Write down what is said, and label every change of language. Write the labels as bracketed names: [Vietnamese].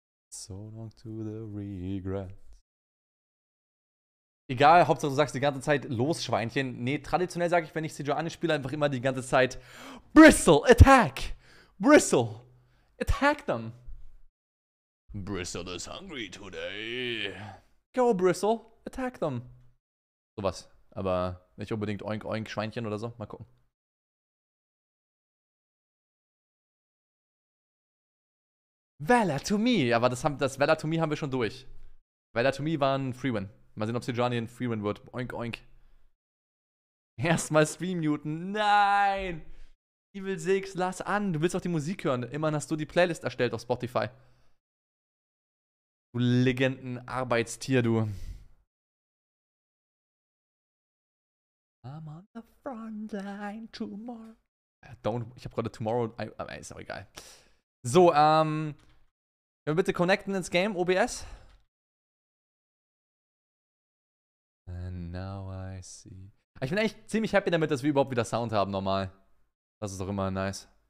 [English] So long to the regret. [German] Egal, Hauptsache du sagst die ganze Zeit los, Schweinchen. Nee, traditionell sage ich, wenn ich Sejuani spiele, einfach immer die ganze Zeit [English] Bristle, attack! Bristle, attack them! Bristle is hungry today. Go, Bristle. Attack them. Sowas. [German] Aber nicht unbedingt Oink Oink Schweinchen oder so. Mal gucken. Valor to me. Aber das Valor to me haben wir schon durch. Valor to me war ein Freewin. Mal sehen, ob Sejuani ein Freewin wird. Oink Oink. Erstmal Stream muten. Nein! Evil Six, lass an. Du willst auch die Musik hören. Immerhin hast du die Playlist erstellt auf Spotify. Du Legenden-Arbeitstier, du. [English] I'm on the front line tomorrow. [German] Ich hab gerade tomorrow. Ist auch egal. So, können wir bitte connecten ins Game, OBS? [English] And now I see. [German] Ich bin eigentlich ziemlich happy damit, dass wir überhaupt wieder Sound haben, normal. Das ist doch immer nice.